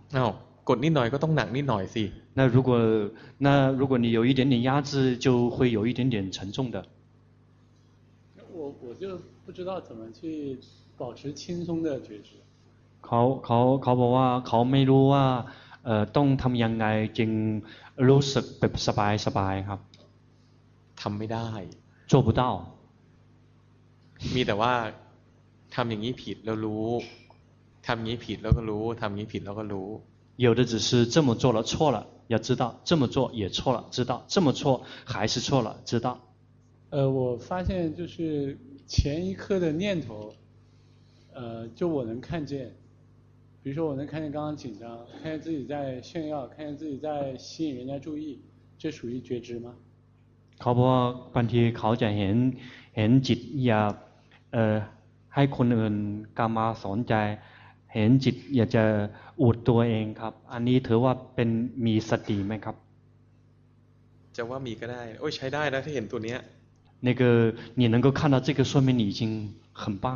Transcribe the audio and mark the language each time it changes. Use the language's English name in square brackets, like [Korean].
[Thai] เอ้ากดนิดหน่อยก็ต้องหนักนิดหน่อยสิ [Chinese] 那如果你有一点点压制就会有一点点沉重的我就不知道怎么去保持轻松的觉知 [Thai] เขาบอกว่าเขาไม่รู้ว่าต้องทำยังไงจึงรู้สึกแบบสบายครับ ทำไม่ได้ [Chinese] 做不到 [Thai] มีแต่ว่าทำอย่างนี้ผิดแล้วรู้ทำอย่างนี้ผิดแล้วก็รู้ทำอย่างนี้ผิดแล้วก็รู้ [Chinese] 有的只是这么做了错了要知道这么做也错了知道这么错还是错了知道我发现就是前一刻的念头就我能看见比如说我能看见刚刚紧张看见自己在炫耀看见自己在吸引人家注意这属于觉知吗 [Thai] เขาบอกบางทีเขาจะเห็นจิตอยาก ให้คนอื่นกามาสอนใจเห็นจิตอยากจะอวดตัวเองครับอันนี้ถือว่าเป็นมีสติไหมครับ จะว่ามีก็ได้โอ้ยใช้ได้นะถ้าเห็นตัวเนี้ย [Chinese] 那个你能够看到这个说明你已经很棒